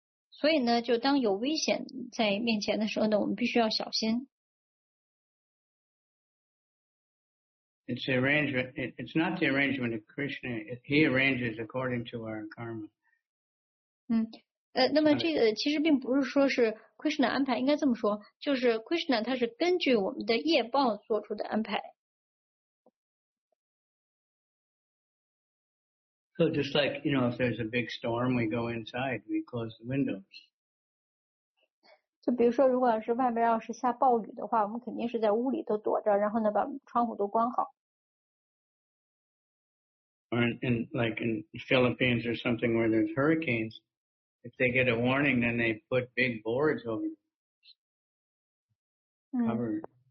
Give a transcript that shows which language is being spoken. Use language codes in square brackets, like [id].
[zh] 所以呢, 就当有危险在面前的时候呢, 我们必须要小心。 [en] It's the arrangement, it's not the arrangement of Krishna, he arranges according to our karma. [zh] 那么这个其实并不是说是 Krishna 安排, 应该这么说, 就是 Krishna 他是根据我们的业报做出的安排。 [en] So just like, you know, if there's a big storm, we go inside, we close the windows. [zh] 就比如说如果是外面要是下暴雨的话, 我们肯定是在屋里都躲着, 然后呢, 把窗户都关好。 [en] Or in like in Philippines or something where there's hurricanes, if they get a warning, then they put big boards over them, cover it.